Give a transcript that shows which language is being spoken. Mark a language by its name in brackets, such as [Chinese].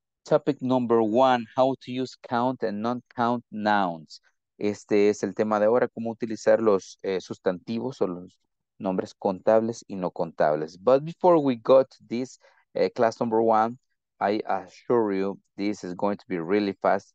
[English] Topic number one, how to use count and non-count nouns. [Spanish] Este es el tema de ahora, cómo utilizar los sustantivos o los nombres contables y no contables. [English] But before we go to this class number one, I assure you this is going to be really fast.